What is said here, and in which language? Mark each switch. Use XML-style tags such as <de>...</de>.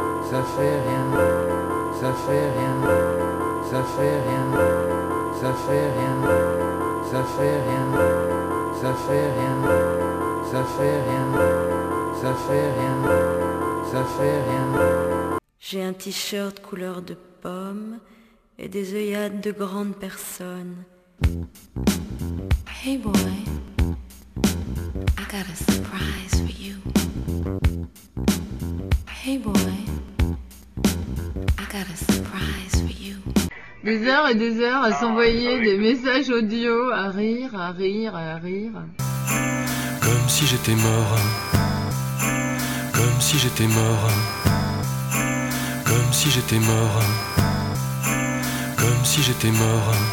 <fr>Ça fait rien, ça fait rien, ça fait rien, ça fait rien, ça fait rien, ça fait rien, ça fait rien, ça fait rien, ça fait rien. J'ai un t-shirt couleur de pomme et des œillades de grandes personnes.</fr> <en>Hey boy, I got a surprise for you. Hey boy, I got a surprise for you.</en> <fr>Des heures et des heures à s'envoyer des messages audio, à rire, à rire, à rire. Comme si j'étais mort. Comme si j'étais mort. Comme si j'étais mort. Comme si j'étais mort.</fr>